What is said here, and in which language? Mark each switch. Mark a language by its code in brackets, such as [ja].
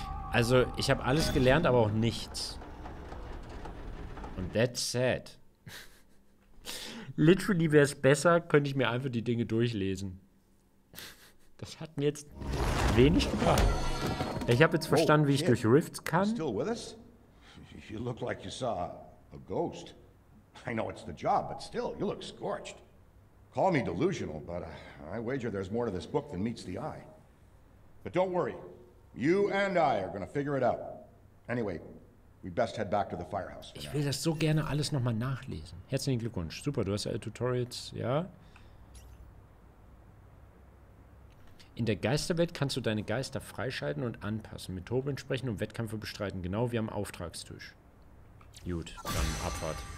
[de] Also, ich habe alles gelernt, aber auch nichts. Und [en] that's sad. [de] Literally wäre es besser, könnte ich mir einfach die Dinge durchlesen. Das hat mir jetzt wenig gebracht. Ich habe jetzt verstanden, wie ich durch Rifts kann. [en] Still with us? You look like you saw a ghost. I know it's the job, but still, you look scorched. Call me delusional, but I wager there's more to this book than meets the eye. But don't worry. You and I are gonna figure it out. Anyway, we best head back to the firehouse. [de] Ich will das so gerne alles nochmal nachlesen. Herzlichen Glückwunsch. Super, du hast ja Tutorials, ja. In der Geisterwelt kannst du deine Geister freischalten und anpassen. Mit Tobin sprechen und Wettkämpfe bestreiten. Genau wie am Auftragstisch. Gut, dann Abfahrt.